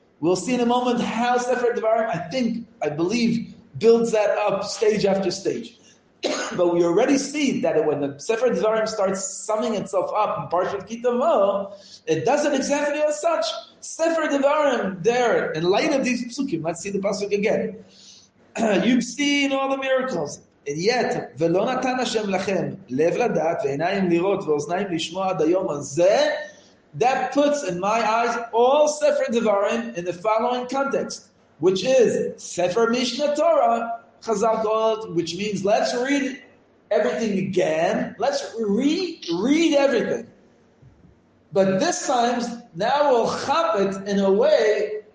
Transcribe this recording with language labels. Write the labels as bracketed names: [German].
[English] We'll see in a moment how Sefer Devarim, I believe, builds that up stage after stage. But we already see that when the Sefer Devarim starts summing itself up in Parshat Ki Tavoh, it does it exactly as such. Sefer Devarim, there, in light of these psukim, let's see the pasuk again. You've seen all the miracles, and yet, [Hebrew] ולא נתן השם לכם לב לדעת ועיניים לראות ואוזניים לשמוע עד היום הזה, [English] That puts, in my eyes, all Sefer Devarim in the following context, which is Sefer Mishneh Torah, Chazal call it, which means let's read everything again. Let's reread everything. But this time, now we'll chap it in a way.